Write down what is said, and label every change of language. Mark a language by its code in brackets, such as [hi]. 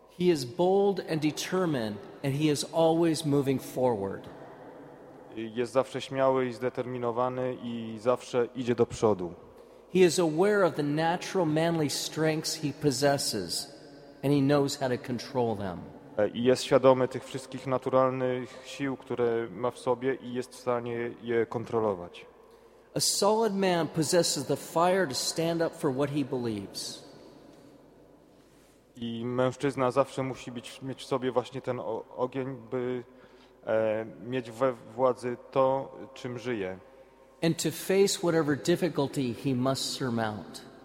[en] He is bold and determined, and he is always moving forward. [pl] Jest zawsze śmiały i zdeterminowany i zawsze idzie do przodu. [en] He is aware of the natural manly strengths he possesses, and he knows how to control them. [pl] I jest świadomy tych wszystkich naturalnych sił, które ma w sobie i jest w stanie je kontrolować. [en] A solid man possesses the fire to stand up for what he believes. [pl] I mężczyzna zawsze musi mieć w sobie właśnie ten ogień, by mieć we władzy to, czym żyje. [en] And to face whatever difficulty he must surmount.